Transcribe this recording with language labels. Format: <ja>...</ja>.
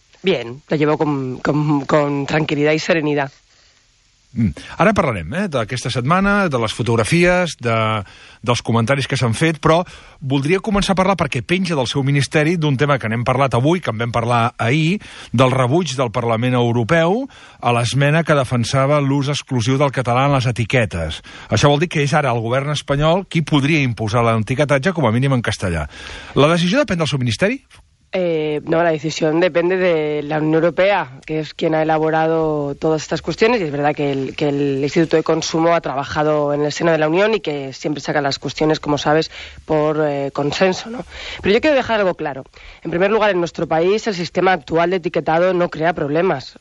<es>Bien, la llevo con tranquilidad y serenidad.</es> <ca>Ara parlarem d'aquesta setmana, de les fotografies, dels comentaris que s'han fet, però voldria començar a parlar, perquè penja del seu ministeri, d'un tema que n'hem parlat avui, que en vam parlar ahir, del rebuig del Parlament Europeu a l'esmena que defensava l'ús exclusiu del català en les etiquetes. Això vol dir que és ara el govern espanyol qui podria imposar l'etiquetatge com a mínim en castellà. La decisió depèn del seu ministeri?</ca> <es>No, la decisión depende de la Unión Europea, que es quien ha elaborado todas estas cuestiones, y es verdad que el Instituto de Consumo ha trabajado en el seno de la Unión y que siempre saca las cuestiones, como sabes, por consenso, ¿no? Pero yo quiero dejar algo claro. En primer lugar, en nuestro país el sistema actual de etiquetado no crea problemas.</es>